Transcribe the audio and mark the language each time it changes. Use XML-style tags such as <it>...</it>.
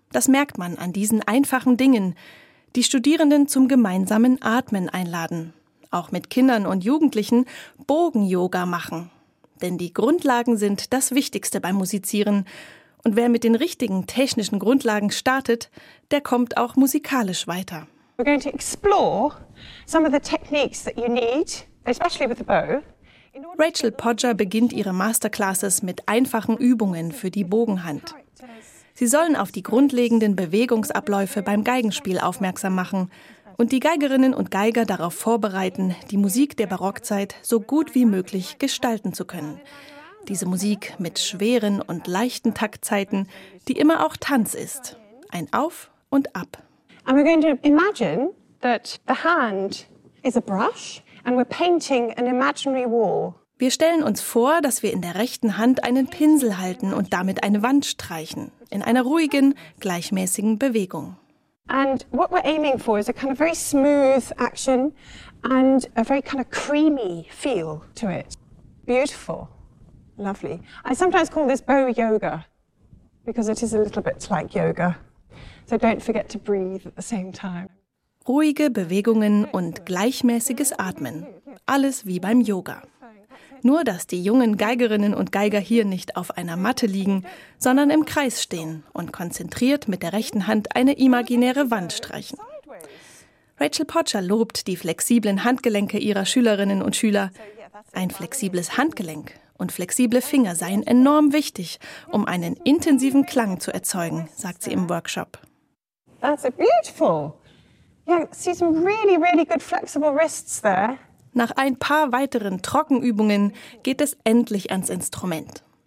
<de>Das merkt man an diesen einfachen Dingen, die Studierenden zum gemeinsamen Atmen einladen. Auch mit Kindern und Jugendlichen Bogen-Yoga machen. Denn die Grundlagen sind das Wichtigste beim Musizieren. Und wer mit den richtigen technischen Grundlagen startet, der kommt auch musikalisch weiter.</de> <en>We're going to explore some of the techniques that you need, especially with the bow.</en> <de>Rachel Podger beginnt ihre Masterclasses mit einfachen Übungen für die Bogenhand. Sie sollen auf die grundlegenden Bewegungsabläufe beim Geigenspiel aufmerksam machen und die Geigerinnen und Geiger darauf vorbereiten, die Musik der Barockzeit so gut wie möglich gestalten zu können. Diese Musik mit schweren und leichten Taktzeiten, die immer auch Tanz ist. Ein Auf und Ab.</de> <en>And we're going to imagine that the hand is a brush. And we're painting an imaginary wall.</en> <de>Wir stellen uns vor, dass wir in der rechten Hand einen Pinsel halten und damit eine Wand streichen, in einer ruhigen, gleichmäßigen Bewegung.</de> <en>And what we're aiming for is a kind of very smooth action and a very kind of creamy feel to it. Beautiful. Lovely. I sometimes call this bow yoga because it is a little bit like yoga. So don't forget to breathe at the same time.</en> <de>Ruhige Bewegungen und gleichmäßiges Atmen. Alles wie beim Yoga. Nur, dass die jungen Geigerinnen und Geiger hier nicht auf einer Matte liegen, sondern im Kreis stehen und konzentriert mit der rechten Hand eine imaginäre Wand streichen. Rachel Podger lobt die flexiblen Handgelenke ihrer Schülerinnen und Schüler. Ein flexibles Handgelenk und flexible Finger seien enorm wichtig, um einen intensiven Klang zu erzeugen, sagt sie im Workshop.</de> <en>That's beautiful. Yeah, see some really, really good flexible wrists there.</en> <de>Nach ein paar weiteren Trockenübungen geht es endlich ans Instrument.</de>